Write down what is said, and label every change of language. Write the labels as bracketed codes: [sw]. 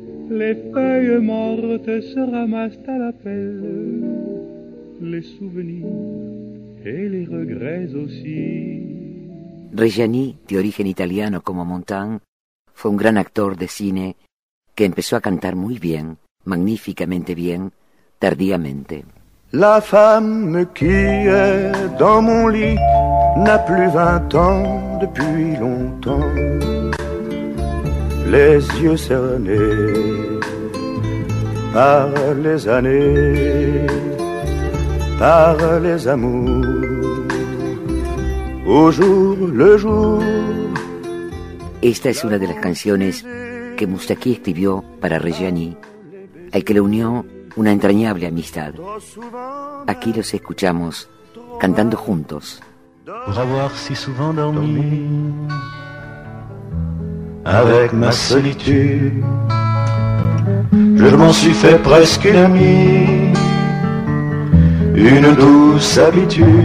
[fr] Les feuilles mortes se ramassent à la pelle. Les souvenirs et les regrets aussi. [es] Reggiani, de origen italiano como Montand, fue un gran actor de cine que empezó a cantar muy bien, magníficamente bien, tardíamente. [fr] La femme qui est dans mon lit n'a plus 20 ans depuis longtemps. Les yeux cernés par les années, par les amours. Au jour le jour. [es] Esta es una de las canciones que Moustaki escribió para Reggiani, al que le unió una entrañable amistad. Aquí los escuchamos cantando juntos. [fr] Por avoir si souvent dormi avec ma solitude, je m'en suis fait presque une amie, une douce habitude.